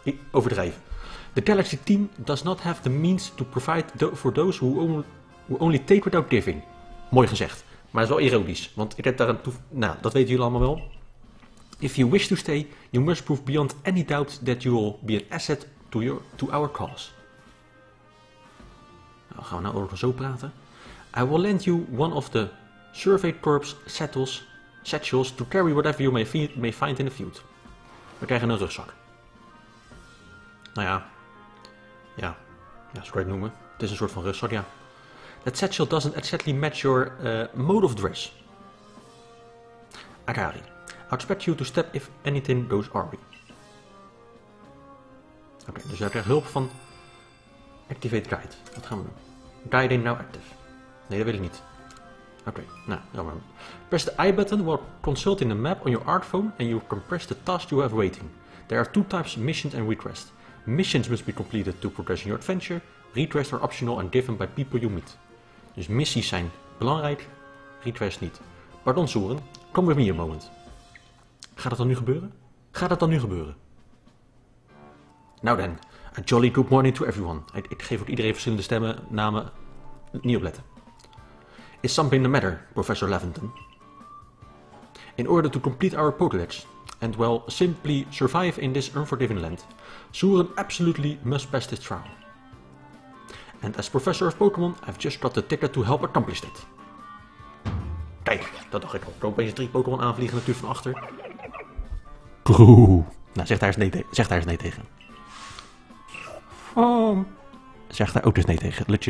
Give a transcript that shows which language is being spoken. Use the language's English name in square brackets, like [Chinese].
[Dutch] overdrijven. [English] The Galaxy team does not have the means to provide for those who only take without giving. [Dutch] Mooi gezegd. Maar dat is wel ironisch. Want ik heb daar een dat weten jullie allemaal wel. [English] If you wish to stay, you must prove beyond any doubt that you will be an asset to our cause. [Dutch] Nou, gaan we nou over zo praten. [English] I will lend you one of the survey corps satchels to carry whatever you may find in the field. [Dutch] We krijgen een rugzak. Nou ja. Ja, zo kan je het noemen. Het is een soort van rugzak, ja. [English] That satchel doesn't exactly match your mode of dress. Akari, I expect you to step if anything goes awry. [Dutch] Oké, dus daar krijg je hulp van Activate Guide. Wat gaan we doen? [English] Guide in now active. [Dutch] Nee, dat wil ik niet. Jammer. [English] Press the I button while consulting the map on your art phone and you can press the task you have waiting. There are two types, missions and requests. Missions must be completed to progress in your adventure. Requests are optional and given by people you meet. [Dutch] Dus missies zijn belangrijk, requests niet. Pardon, Soren. [English] Come with me a moment. [Dutch] Gaat dat dan nu gebeuren? [English] Now then, a jolly good morning to everyone. [Dutch] Ik geef ook iedereen verschillende stemmen, namen. Niet opletten. [English] Is something the matter, Professor Leventon? In order to complete our pokelets and, well, simply survive in this unforgiving land, Soren absolutely must pass this trial. And as professor of Pokémon, I've just got the ticket to help accomplish it. [Dutch] Kijk, dat dacht ik al. Ik opeens 3 Pokémon aanvliegen natuurlijk van achter. Nou, zeg daar eens nee tegen. Zeg daar ook eens nee tegen.